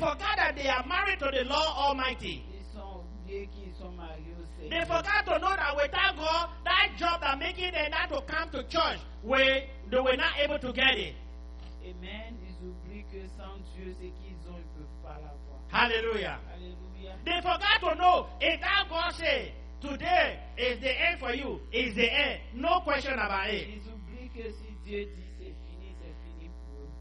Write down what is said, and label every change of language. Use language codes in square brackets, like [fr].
[en] Forgot that they are married to the Lord Almighty. [fr] Ils ont oublié qu'ils sont mariés au Seigneur. [en] They forgot to know that without God, that job that making them not to come to church, they were not able to get it. Amen. [fr] Ils oublient que sans Dieu, ce qu'ils ont, ils peuvent pas l'avoir. [en] Hallelujah. Hallelujah. They forgot to know if that God said, today is the end for you, is the end. No question about it. [fr] Ils oublient que si Dieu dit c'est fini pour eux.